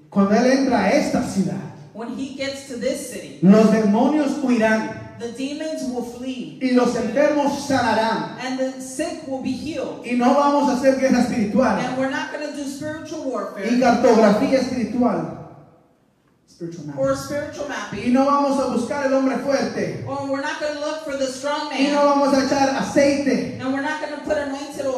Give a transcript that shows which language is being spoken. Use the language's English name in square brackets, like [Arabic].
[Spanish] cuando él entra a esta ciudad, [English] when he gets to this city, [Spanish] los demonios huirán, [English] the demons will flee, [Spanish] y los enfermos sanarán, [English] and the sick will be healed, [Spanish] y no vamos a hacer guerra espiritual, [English] and we're not going to do spiritual warfare, [Spanish] y cartografía espiritual. [English] Or spiritual mapping. [Spanish] Y no vamos a buscar el hombre fuerte. [English] Or we're not going to look for the strong man. [Spanish] Y no vamos a echar aceite. [English] And we're not going to put anointed oil.